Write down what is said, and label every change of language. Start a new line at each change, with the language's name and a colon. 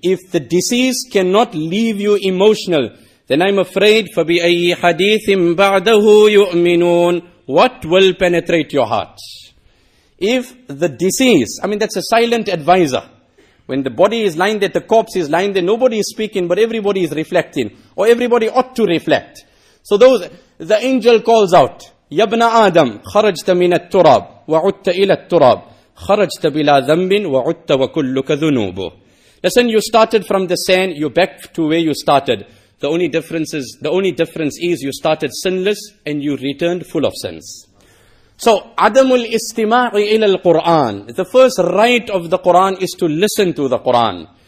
English: If the deceased cannot leave you emotional, then I'm afraid,
Arabic: فَبِأَيِّ حَدِيثٍ بَعْدَهُ يُؤْمِنُونَ.
English: What will penetrate your heart? If the deceased, I mean that's a silent advisor. When the body is lying there, the corpse is lying there, nobody is speaking, but everybody is reflecting. Or everybody ought to reflect. So those, the angel calls out,
Arabic: يَبْنَ آدَمْ خَرَجْتَ مِنَ التُّرَابِ وَعُدْتَ إِلَى التُّرَابِ خَرَجْتَ بِلَا ذَنْبٍ وَعُدْتَ وَكُلُّكَ ذُنُوبُهُ.
English: Listen, you started from the sand, you're back to where you started. The only difference is you started sinless and you returned full of sins. So,
Arabic: Adamul Istima'i ila al-Quran.
English: The first right of the Quran is to listen to the Quran.